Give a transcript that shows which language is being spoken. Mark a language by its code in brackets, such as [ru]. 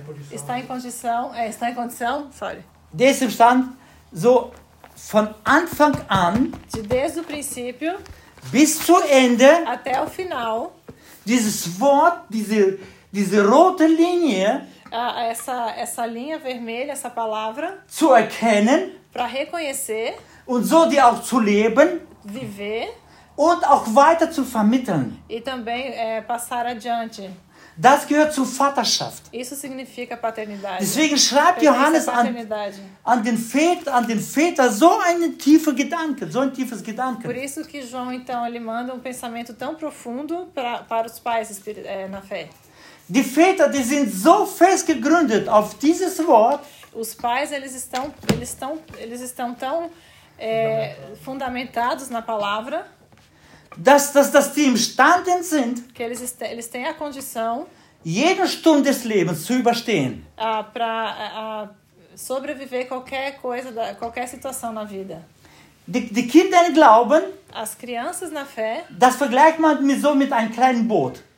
[pt] está em condição, está em condição, sorry. [de] Der ist imstande, so von Anfang an, [pt] desde o princípio, [de] bis zu Ende, [pt] até o final, [de] dieses Wort, diese rote Linie, [pt] essa linha vermelha, essa palavra, [de] zu erkennen, [pt] para reconhecer, [de] und so die auch zu leben, [pt] viver, [de] und auch weiter zu vermitteln, [pt] e também passar adiante. [de] Das gehört zur Vaterschaft. [pt] Isso significa paternidade. [de] Deswegen schreibt Johannes an den Väter so einen tiefen Gedanken, so ein tiefes Gedanken. [pt] Por isso que João então ele manda pensamento tão profundo para os pais na fé. [de] Die Väter, die sind so fest gegründet auf dieses Wort. [pt] Os pais eles estão tão fundamentados na palavra. [de] Dass die imstanden sind, [pt] que eles têm a condição, [de] jede Stunde des Lebens zu überstehen, [pt] para sobreviver qualquer coisa, qualquer situação na vida. [de] Die Kinder glauben, [pt] as crianças na fé, [de] das vergleicht man so mit einem kleinen Boot.